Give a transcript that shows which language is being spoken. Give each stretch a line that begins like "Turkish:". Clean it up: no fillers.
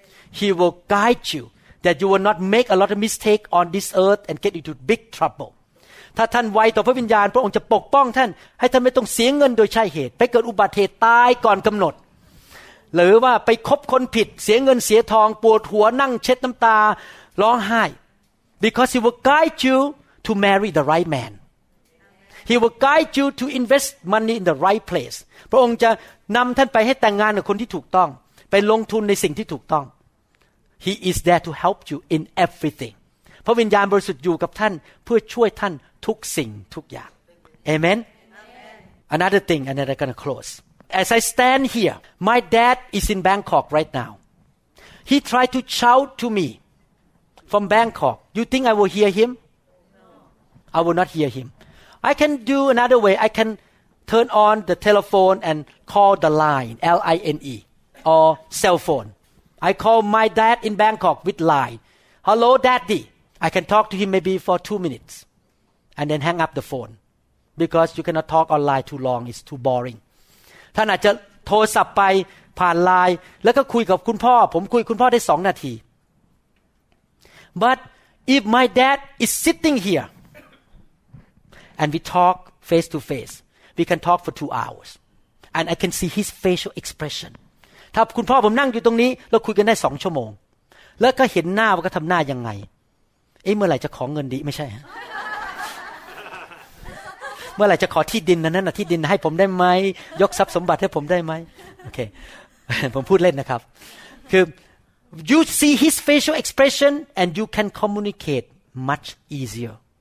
English: He will guide you that you will not make a lot of mistakes on this earth and get into big trouble.
Thai: ถ้าท่านไวต่อพระวิญญาณพระองค์จะปกป้องท่านให้ท่านไม่ต้องเสียเงินโดยใช่เหตุไปเกิดอุบัติเหตุตายก่อนกำหนดหรือว่าไปคบคนผิดเสียเงินเสียทองปวดหัวนั่งเช็ดน้ำตาร้องไห้
English: because he will guide you to marry the right man. He will guide you to invest money in the right place.
Thai: พระองค์จะนำท่านไปให้แต่งงานกับคนที่ถูกต้องไปลงทุนในสิ่งที่ถูกต้อง
English: He is there to help you in everything
Thai: พระวิญญาณบริสุทธิ์อยู่กับท่านเพื่อช่วยท่านทุกสิ่งทุกอย่าง Amen.
English: Amen Another thing and then I'm going to close As I stand here my dad is in Bangkok right now He tried to shout to me from Bangkok You think I will hear him No I will not hear him I can do another way I canTurn on the telephone and call the line, L-I-N-E, or cell phone. I call my dad in Bangkok with line. Hello, daddy. I can talk to him maybe for 2 minutes. And then hang up the phone. Because you cannot talk online too long. It's too boring.
Thai: ท่านอาจจะโทรศัพท์ไปผ่านไลน์แล้วก็คุยกับคุณพ่อผมคุยคุณพ่อได้2 minutes.
English: But if my dad is sitting here and we talk face to face,We can talk for 2 hours. And I can see his facial expression.
Thai: ถ้าคุณพ่อผมนั่งอยู่ตรงนี้เราคุยกันได้2 hours. แล้วก็เห็นหน้าว่าก็ทำหน้ายังไงเอ๊ะเมื่อไหร่จะขอเงินดีไม่ใช่ฮะเมื่อไหร่จะขอที่ดินนั้นน่ะที่ดินให้ผมได้ไหมยกทรัพย์สมบัติให้ผมได้ไหมโอเคผมพูดเล่นนะครับคือ
English: you see his facial expression and you can communicate much easier.